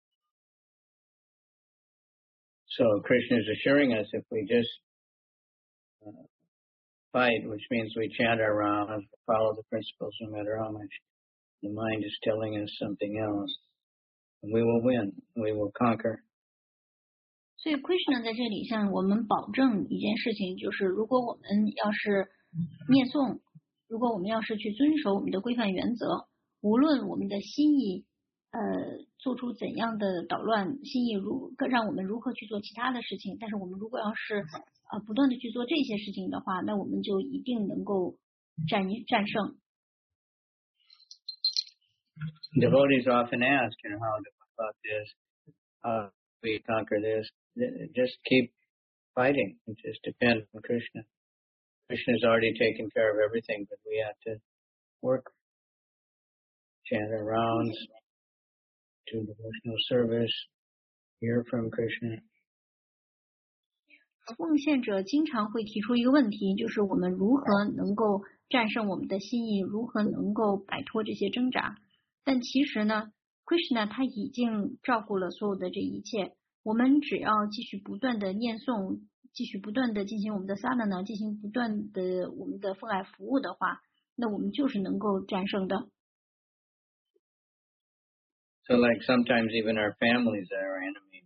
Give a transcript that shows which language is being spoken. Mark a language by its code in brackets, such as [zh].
[zh] 所以呢，我们的心意呢，它会战死这些大敌，比如说像色欲啊、愤怒啊、贪婪呐、啊，然后战死这些大敌之后呢，我们才能够在恰当的状态下行事。So [en] Krishna is assuring us if we just fight, which means we chant around, follow the principles, no matter how much the mind is telling us something else. We will win. We will conquer. [zh] So Krishna 在这里向我们保证一件事情，就是如果我们要是念诵，如果我们要是去遵守我们的规范原则，无论我们的心意，做出怎样的捣乱，心意如让我们如何去做其他的事情，但是我们如果要是不断的去做这些事情的话，那我们就一定能够战胜。 [en] Devotees often ask, you know, how to do about this, how we conquer this. Just keep fighting and just depend on Krishna. Krishna has already taken care of everything, but we have to work, chant our rounds, do devotional service, hear from Krishna. [zh] 奉献者经常会提出一个问题，就是我们如何能够战胜我们的心意，如何能够摆脱这些挣扎。但其实呢, Krishna 他已经照顾了所有的这一切。我们只要继续不断的念诵，继续不断的进行我们的sadhana，进行不断的我们的奉爱服务的话，那我们就是能够战胜的。So [en] like sometimes even our families are our enemy.